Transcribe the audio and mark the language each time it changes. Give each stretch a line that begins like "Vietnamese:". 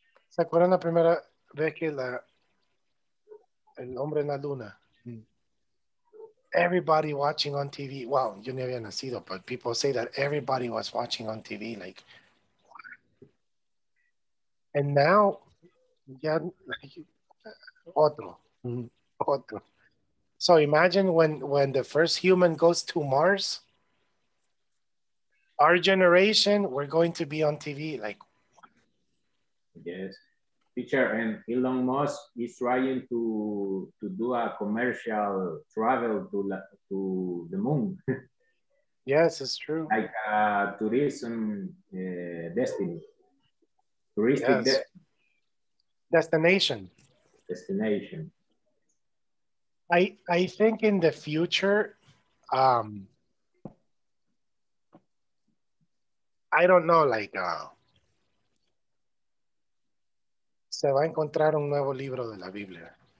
Spanish: ¿Se acuerdan la primera vez que la El hombre en la luna?
English: Everybody watching on TV. Well,
Spanish: yo no había nacido,
English: but people say that everybody was watching on TV. Like, and now,
Spanish: ya, otro.
English: So imagine when the first human goes to Mars, our generation, we're going to be on TV. Like, yes. Teacher, and Elon Musk is trying to do a commercial travel to the moon. Yes, it's true. Like a tourism destiny. Touristic, yes. Destination. Destination. I think in the future, I don't know, like...
Spanish: se va a encontrar un nuevo libro de la Biblia.